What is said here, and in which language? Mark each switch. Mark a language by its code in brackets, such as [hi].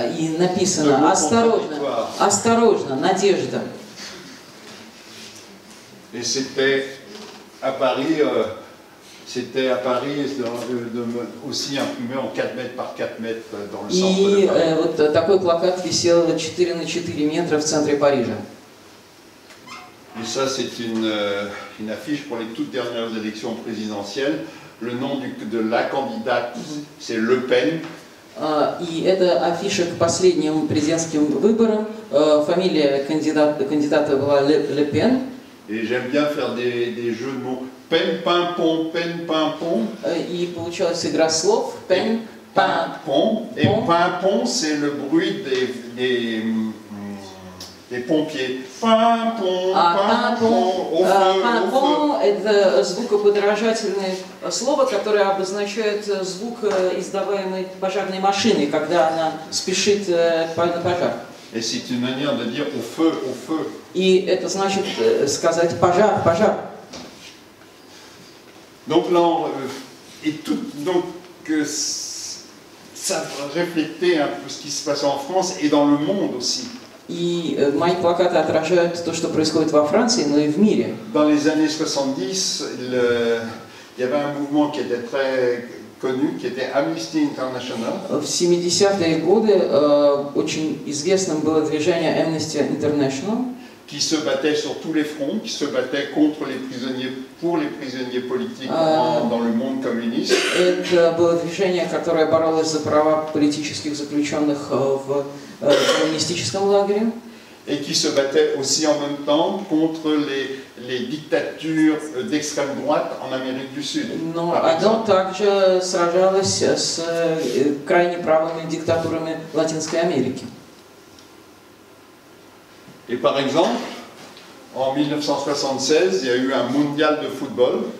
[ru] И написано осторожно, осторожно, надежда. [fr] Et c'était à Paris. C'était à Paris, aussi imprimé en 4 mètres par 4 mètres dans le centre. [ru] И вот такой плакат висел 4 на 4 метра в центре Парижа. [fr] Et ça, c'est une affiche pour les toutes dernières élections présidentielles. Le nom de la candidate, c'est Le Pen. [ru] И это афиша к последним президентским выборам. Фамилия кандидата была Le Pen. [fr] Et j'aime bien faire des jeux de mots. Pen, pin, pon, pen, pin, pon. [ru] И получилась игра слов. Pen, pin, pon. [fr] Et pin, pon, c'est le bruit des pompiers. Pin, pon, pin, pon. [ru] Pin, pon, это звукоподражательное слово, которое обозначает звук, издаваемый пожарной машиной, когда она спешит на пожар. [fr] Et c'est une manière de dire au feu, au feu. [ru] И это значит сказать пожар, пожар. [fr] Donc là, et tout, donc ça reflétait un peu ce qui se passe en France et dans le monde aussi. [ru] И мои плакаты отражают то, что происходит во Франции, но и в мире. [fr] Dans les années 70, il y avait un mouvement qui était très connu, qui était Amnesty International. [ru] В 70-е годы очень известным было движение Amnesty International. [fr] Qui se battait sur tous les fronts, qui se battait contre les prisonniers, pour les prisonniers politiques dans le monde communiste. [ru] Это было движение, которое боролось за права политических заключенных в коммунистическом лагере. [fr] Et qui se battait aussi en même temps contre les dictatures d'extrême droite en Amérique du Sud. [ru] Non, Adam также сражалось с крайне правыми диктатурами Латинской Америки. [fr] Et par exemple, en 1976, il y a eu un mondial de football.